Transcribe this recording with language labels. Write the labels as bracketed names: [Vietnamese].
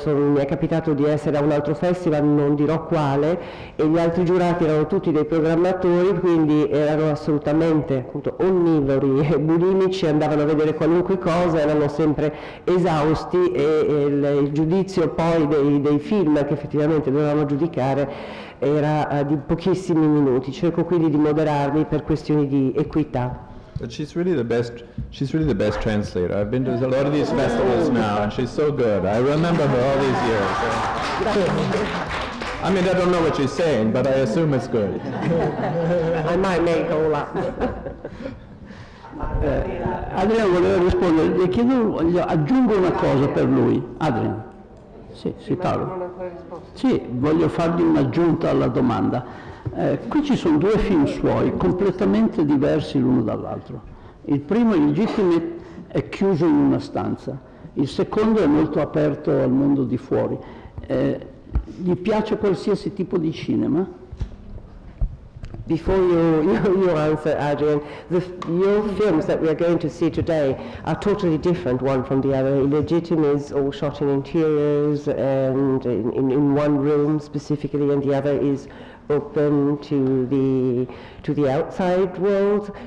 [Italian] Mi è capitato di essere a un altro festival, non dirò quale, e gli altri giurati erano tutti dei programmatori, quindi erano assolutamente appunto onnivori e bulimici, andavano a vedere qualunque cosa, erano sempre esausti e il giudizio poi dei film che effettivamente dovevamo giudicare era di pochissimi minuti. Cerco quindi di moderarmi per questioni di equità. [English] But she's really the best. She's really the best translator. I've been to a lot of these festivals now, and she's so good. I remember her all these years. I mean, I don't know what she's saying, but I assume it's good. I might make all up. [Italian] Adrian voleva rispondere. Le chiedo, gli aggiungo una cosa per lui, Adrian. Sì, si parla. Sì, voglio fargli un'aggiunta alla domanda. Qui ci sono due film suoi completamente diversi l'uno dall'altro. Il primo, Illegitimate, è chiuso in una stanza. Il secondo è molto aperto al mondo di fuori. Gli piace qualsiasi tipo di cinema? [English] Before you answer, Adrian, your films that we are going to see today are totally different one from the other. Illegitimate is all shot in interiors and in one room specifically, and the other is open to the outside world.